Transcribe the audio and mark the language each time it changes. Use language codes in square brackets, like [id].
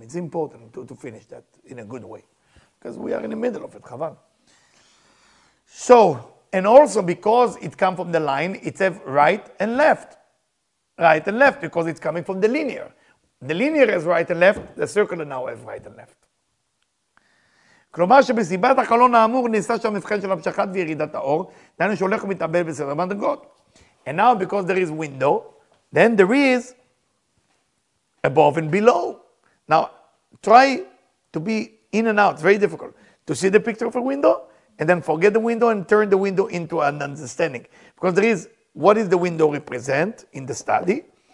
[en] It's important to finish that in a good way. Because we are in the middle of it, Chaval. So, and also because it comes from the line, it's have right and left. Right and left, because it's coming from the linear. The linear is right and left, the circular now is right and left. [he] כלומר שבסיבת החלון האמור נעשה שם מבחן של המשכת וירידת האור, דהיינו שהולך ומתאבל בסדר מדרגות. [en] And now because there is window, then there is above and below. Now, try to be in and out. It's very difficult. To see the picture of a window, and then forget the window and turn the window into an understanding. Because there is, what is the window represent in the study?